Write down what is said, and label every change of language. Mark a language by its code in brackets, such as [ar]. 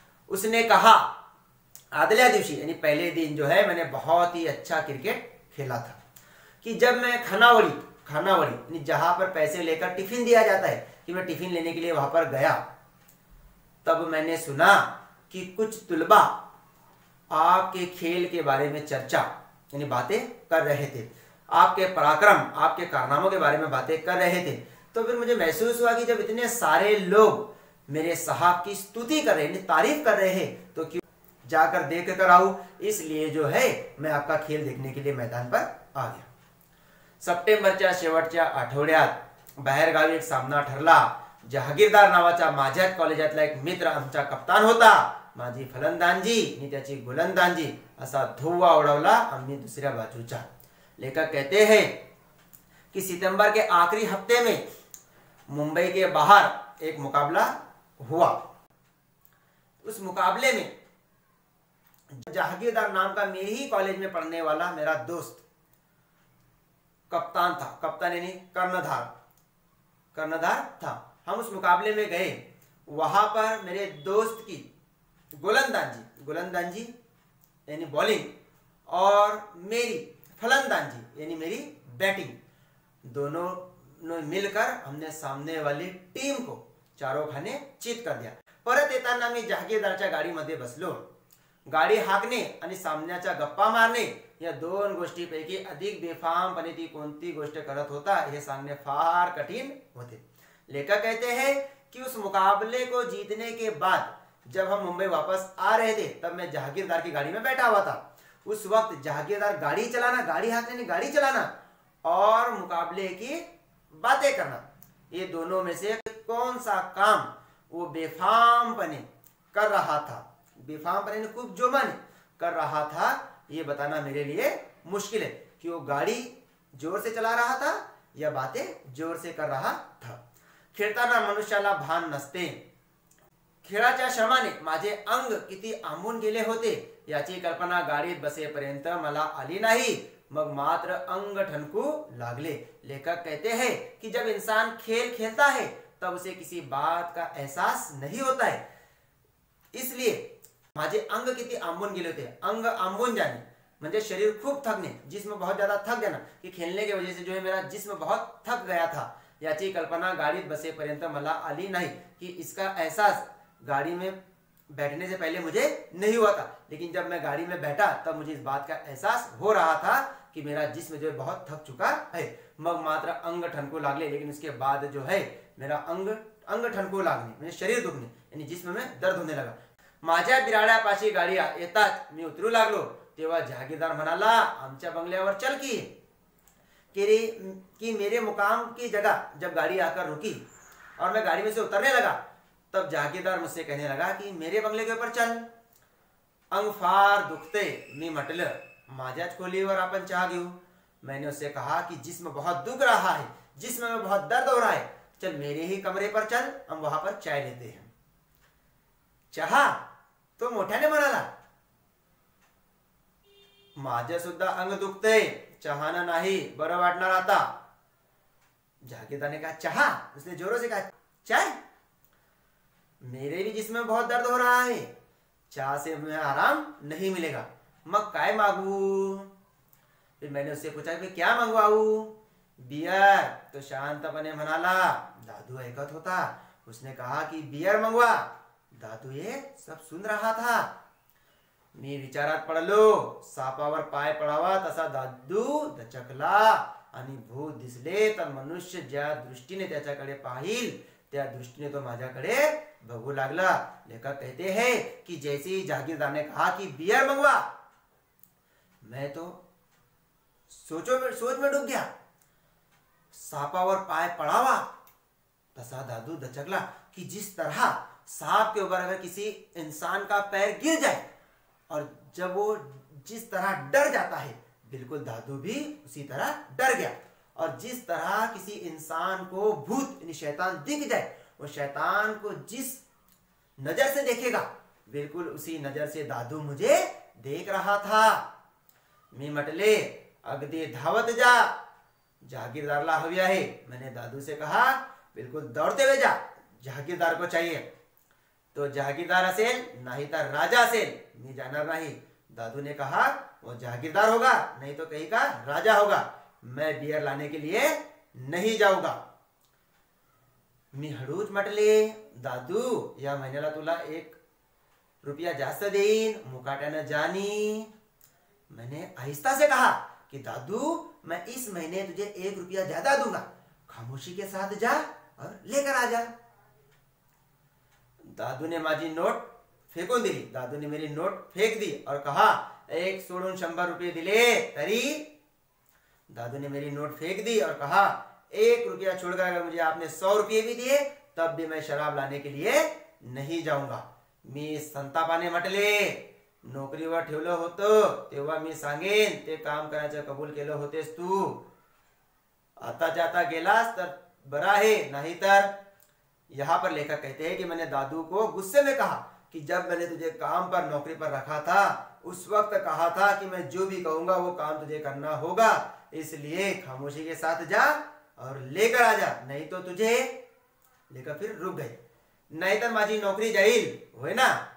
[hi] उसने कहा [mr] आदल्या दिवशी [hi] यानी पहले दिन जो है मैंने बहुत ही अच्छा क्रिकेट खेला था कि जब मैं खानावली जहां पर पैसे लेकर टिफिन दिया जाता है कि मैं टिफिन लेने के लिए वहां पर गया, तब मैंने सुना कि कुछ तुलबा आपके खेल के बारे में चर्चा यानी बातें कर रहे थे, आपके पराक्रम आपके कारनामों के बारे में बातें कर रहे थे. तो फिर मुझे महसूस हुआ कि जब इतने सारे लोग मेरे साहब की स्तुति कर रहे हैं, तारीफ कर रहे हैं, तो क्यों जाकर देख कर आऊं. इसलिए जो है मैं आपका खेल देखने के लिए मैदान पर आ गया. [mr] सप्टेंबरच्या शेवटच्या आठवड्यात बाहेरगावी एक सामना ठरला. जहागीरदार नावाचा माझ्या कॉलेजातला एक मित्र आमचा कप्तान होता. माझी फलंदाजी आणि त्याची गोलंदाजी असा धुव्वा उडवला आम्ही दुसऱ्या बाजूचा. [hi] लेखक कहते हैं कि सितंबर के आखिरी हफ्ते में मुंबई के बाहर एक मुकाबला हुआ. उस मुकाबले में जहागीरदार नाम का मेरे ही कॉलेज में पढ़ने वाला मेरा दोस्त कप्तान था. कप्तान यानी कर्णधार, कर्णधार था. हम उस मुकाबले में गए. वहां पर मेरे दोस्त की गोलंदाजी, गोलंदाजी यानी बॉलिंग, और मेरी फलंदाजी यानी मेरी बैटिंग, दोनों ने मिलकर हमने सामने वाली टीम को चारों खाने चित कर दिया. [mr] परत येताना मी जहागीरदारच्या गाड़ी मध्ये बसलो. गाड़ी हाकने आणि सामन्याचा गप्पा मारने या दोन गोष्टीपैकी अधिक बेफामपणे ती कोणती गोष्ट करत होता हे सांगणे फार कठीण होते. [hi] लेखक कहते हैं कि उस मुकाबले को जीतने के बाद जब हम मुंबई वापस आ रहे थे तब मैं जहागीरदार की गाड़ी में बैठा हुआ था. उस वक्त जहागीरदार गाड़ी चलाना, गाड़ी हाकने नहीं, गाड़ी चलाना और मुकाबले की बातें करना, ये दोनों में से कौन सा काम वो बेफाम बने कर रहा था, बेफाम बने खूब जो मन कर रहा था, ये बताना मेरे लिए मुश्किल है कि वो गाड़ी जोर से चला रहा था या बातें जोर से कर रहा था. [mr] खेळताना मनुष्याला भान नसते. खेळाच्या श्रमाने माझे अंग किती आंबून गेले होते याची कल्पना गाडीत बसेपर्यंत मला आली नाही. मग मात्र अंग ठणकू लागले. [hi] लेखक कहते हैं कि जब इंसान खेल खेलता है तब उसे किसी बात का एहसास नहीं होता है. इसलिए [mr] माझे अंग किती आंबून गेले होते. अंग आंबून जाने म्हणजे शरीर खूप थकने, [hi] जिस्म बहुत ज्यादा थक गया ना, कि खेलने की वजह से जो है मेरा जिस्म बहुत थक गया था, [mr] याची कल्पना गाडीत बसेपर्यंत मला आली नाही. [hi] कि इसका एहसास गाड़ी में बैठने से पहले मुझे नहीं हुआ था, लेकिन जब मैं गाड़ी में बैठा तब मुझे इस बात का एहसास हो रहा था कि मेरा जिस्म जो है बहुत थक चुका है. [mr] मग मात्र अंग ठनको लागले, [hi] लेकिन उसके बाद जो है मेरा अंग [mr] ठनको लागने म्हणजे शरीर दुखने [hi] यानी जिस्म में दर्द होने लगा. [mr] माझ्या बिराड्यापाशी गाड़ी येताच मी उतरू लागलो तेव्हा जहागीरदार म्हणाला आमच्या बंगल्यावर चल की रे, [hi] कि मेरे मुकाम की जगह जब गाड़ी आकर रुकी और मैं गाड़ी में से उतरने लगा तब जहागीरदार मुझसे कहने लगा कि मेरे बंगले के ऊपर चल. [mr] अंग फार दुखते मी म्हटल माझ्याच खोलीवर आपण चहा घेऊ. [hi] मैंने उससे कहा कि जिस्म बहुत दुख रहा है, जिस्म में बहुत दर्द हो रहा है, चल मेरे ही कमरे पर चल, हम वहां पर चाय लेते हैं. [mr] चहा तो मोठ्याने म्हणाला माझे सुद्धा अंग दुखते, चहाना नाही बरं वाटणार आता. [hi] जहागीरदारने कहा चहा, उसने जोरो से कहा चाय, मेरे भी जिसमें बहुत दर्द हो रहा है, चाय से मैं आराम नहीं मिलेगा, [mr] मग काय मांगू. [hi] फिर मैंने उससे पूछा कि क्या मंगवाऊ. बियर, [mr] तो शांतपणे म्हणाला दादू एकत होता, [hi] उसने कहा कि बियर मंगवा। दादू ये सब सुन रहा था। [mr] मी विचारात पड़लो, सापावर पाय पड़ावा तसा दादू दचकला, आणि भूत दिसले तर मनुष्य ज्या दृष्टीने त्याच्याकडे पाहिल त्या दृष्टीने तो माझ्याकडे बघू लागला। [hi] लेखक कहते है कि जैसे ही जागीरदार ने कहा कि बियर मंगवा, मैं तो सोच में डूब गया। [mr] सापावर पाय पड़ावा तसा दादू दचकला, [hi] कि जिस तरह सांप के ऊपर अगर किसी इंसान का पैर गिर जाए और जब वो जिस तरह डर जाता है, बिल्कुल दादू भी उसी तरह डर गया। और जिस तरह किसी इंसान को भूत यानी शैतान दिख जाए, वो शैतान को जिस नजर से देखेगा, बिल्कुल उसी नजर से दादू मुझे देख रहा था। [mr] मी मटले अगदे धावत जा, जागीरदार ला हवी आहे। [hi] मैंने दादू से कहा बिल्कुल दौड़ते हुए जा, जागीरदार को चाहिए। [mr] तो जागीरदार असेल नहीं तो राजा असेल, मी जाणार नाही। [hi] दादू ने कहा वो जागीरदार होगा नहीं तो कहीं का राजा होगा, मैं बियर लाने के लिए नहीं जाऊंगा। [mr] मी हळूच म्हटले दादू या महिन्याला तुला एक रुपया जास्त देईन, मुकाट्याने जानी। [hi] मैंने आहिस्ता से कहा कि दादू मैं इस महीने तुझे एक रुपया ज्यादा दूंगा, खामोशी के साथ जा और लेकर आ जा। [mr] दादू ने माझी नोट फेंकून दिली, [hi] दादू ने मेरी नोट फेंक दी और कहा [mr] एक सोडून 100 रुपये दिले तरी। [hi] दादू ने मेरी नोट फेंक दी और कहा एक रुपया छोड़कर अगर मुझे आपने 100 रुपये भी दिए तब भी मैं शराब लाने के लिए नहीं जाऊंगा। [mr] मी संतापाने म्हटले नोकरीवर ठेवलं होतं तेव्हा मी सांगेन ते काम करायचं कबूल केलं होतेस तू, आता जाता गेलास तर बरा आहे नाही तर। [hi] यहाँ पर लेखक कहते हैं कि मैंने दादू को गुस्से में कहा कि जब मैंने तुझे काम पर नौकरी पर रखा था उस वक्त कहा था कि मैं जो भी कहूंगा वो काम तुझे करना होगा, इसलिए खामोशी के साथ जा और लेकर आ जा, नहीं तो तुझे। लेखक फिर रुक गए, नहीं तो [mr] माझी नौकरी जाईल, होय ना।